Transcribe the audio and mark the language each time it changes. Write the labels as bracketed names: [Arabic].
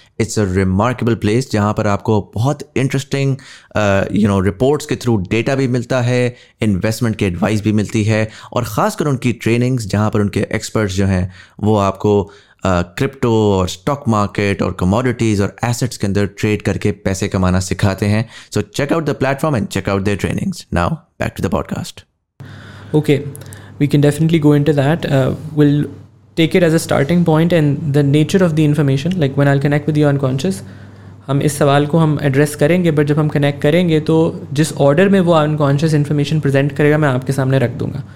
[English] it's a remarkable place [Urdu] جہاں پر آپ کو بہت انٹرسٹنگ یو نو رپورٹس کے تھرو ڈیٹا بھی ملتا ہے, انویسٹمنٹ کی ایڈوائس بھی ملتی ہے, اور خاص کر ان کی ٹریننگس جہاں پر ان کے ایکسپرٹس جو ہیں وہ آپ کو کرپٹو اور اسٹاک مارکیٹ اور کموڈیٹیز اور ایسٹس کے اندر ٹریڈ کر کے پیسے کمانا سکھاتے ہیں. [English] So check out the platform and check out their trainings. Now back to the podcast. Okay, we can definitely go in to that. Will take it as a starting point and the nature of the information, like when I connect with you in conscious, [Urdu] ہم اس سوال کو ہم address کریں گے, but جب ہم connect کریں گے تو جس آرڈر میں وہ ان کانشیس انفارمیشن پرزینٹ کرے گا میں آپ کے سامنے رکھ دوں گا.